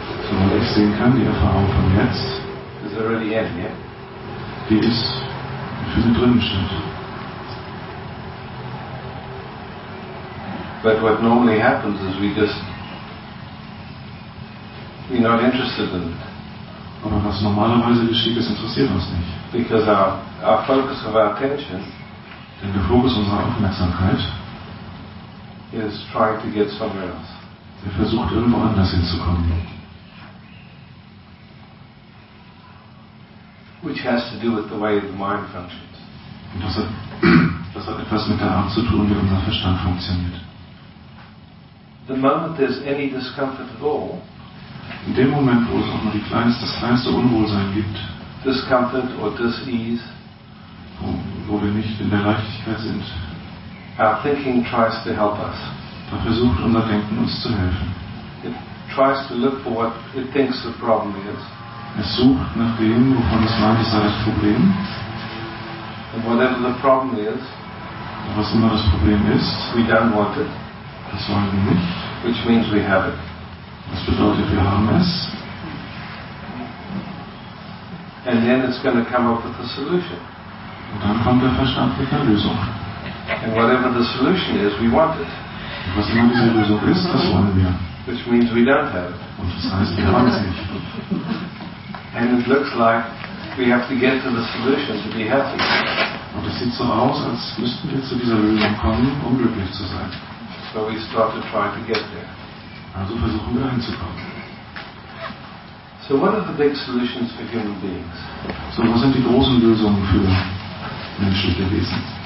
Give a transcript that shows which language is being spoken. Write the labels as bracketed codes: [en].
[en] So what I see can be the experience of now. Is already in, yeah? [de] Die ist für sie drin gestellt. [en] But what normally happens is we just, we're not interested in it. [de] Aber was normalerweise geschieht, das interessiert uns nicht. [en] Because our focus of our attention. [de] Denn der Fokus unserer Aufmerksamkeit. [en] Is trying to get somewhere else. [de] Der versucht, irgendwo anders hinzukommen. [en] Which has to do with the way the mind functions. [de] Und das hat etwas mit der Art zu tun, wie unser Verstand funktioniert. [en] The moment there's any discomfort at all, [de] in dem Moment, wo es auch nur das kleinste Unwohlsein gibt, [en] discomfort or dis-ease, [de] wo wir nicht in der Leichtigkeit sind, [en] our thinking tries to help us. [de] Da versucht unser Denken uns zu helfen. [en] It tries to look for what it thinks the problem is. [de] Es sucht nach dem, wovon es meint, es sei das Problem. [en] And whatever the problem is, [de] und was immer das Problem ist, [en] we don't want it. [de] Das wollen wir nicht. [en] Which means we have it. [de] Das bedeutet, wir haben es. [en] And then it's going to come up with a solution. [de] Und dann kommt der Verstand mit der Lösung. [en] And whatever the solution is, we want it. [de] Was immer diese Lösung ist, das wollen wir. [en] Which means we don't have it. [de] Und das heißt, wir haben es nicht. [en] And it looks like we have to get to the solution to be happy. [de] Und es sieht so aus, als müssten wir zu dieser Lösung kommen, um glücklich zu sein. [en] So we start to try to get there. [de] Also versuchen wir hinzukommen. [en] So what are the big solutions for human beings? [de] So was sind die großen Lösungen für menschliche Wesen?